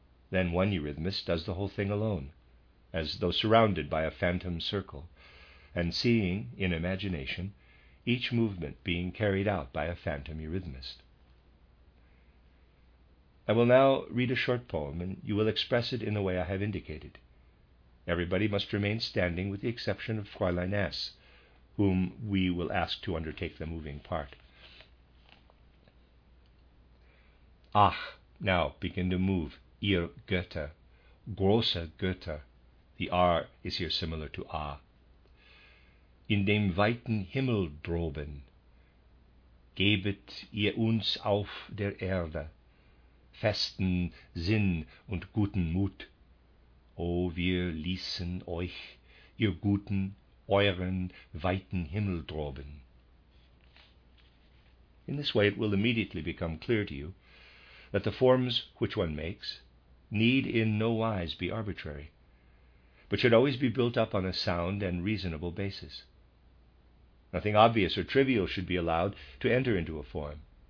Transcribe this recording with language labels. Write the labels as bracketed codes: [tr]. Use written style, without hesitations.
[en] Then one eurythmist does the whole thing alone, as though surrounded by a phantom circle, and seeing, in imagination, each movement being carried out by a phantom eurythmist. I will now read a short poem, and you will express it in the way I have indicated. Everybody must remain standing with the exception of Fräulein S., whom we will ask to undertake the moving part. [de] Ach, [en] now begin to move, [de] ihr Götter, große Götter, [en] the R is here similar to A, [de] in dem weiten Himmel droben, gebet ihr uns auf der Erde festen Sinn und guten Mut. O, wir ließen euch, ihr guten, euren weiten Himmel droben. [en] In this way it will immediately become clear to you that the forms which one makes need in no wise be arbitrary, but should always be built up on a sound and reasonable basis. Nothing obvious or trivial should be allowed to enter into a form.